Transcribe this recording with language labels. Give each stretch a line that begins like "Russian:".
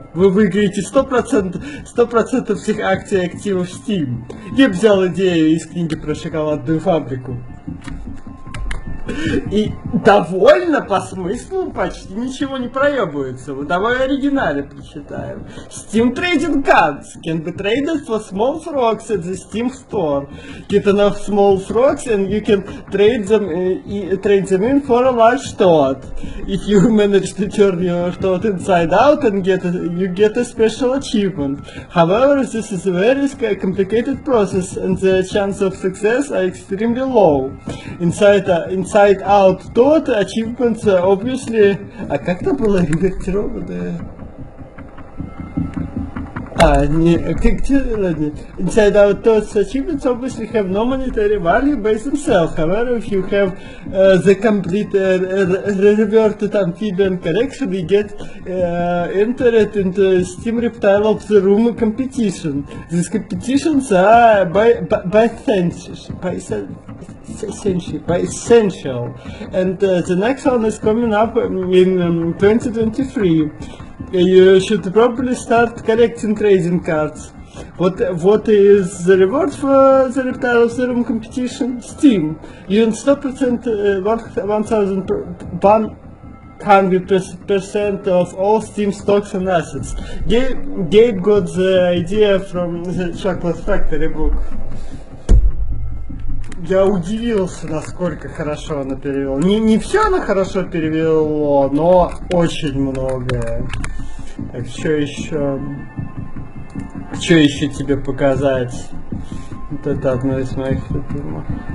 Russian: Вы выиграете 100% всех акций и активов Steam. Я взял идею из книги про шоколадную фабрику. И довольно по смыслу почти ничего не проебывается. Вот давай в оригинале прочитаем.
English: Steam Trading Cards can be traded for small frogs at the Steam store. Get enough small frogs and you can trade them in for a large toad. If you manage to turn your toad inside out and you get a special achievement. However, this is a very complicated process and the chance of success are extremely low. Inside out тот achievements obviously.
Russian: А как это было редактировано? А, не, как тебе,
English: Inside Out Toads achievements obviously have no monetary value by themselves. However, if you have the complete reverted amphibian collection, you get entered into Steam Reptile of the Room competition. These competitions are by essential. And the next one is coming up in 2023. You should probably start collecting trading cards. What is the reward for the Reptile of the Room competition? Steam. You earn 100% 100% of all Steam stocks and assets. Gabe got the idea from the Chocolate Factory book.
Russian: Я удивился, насколько хорошо она перевела. Не все она хорошо перевела, но очень многое. Так, что еще тебе показать? Вот это одно из моих любимых.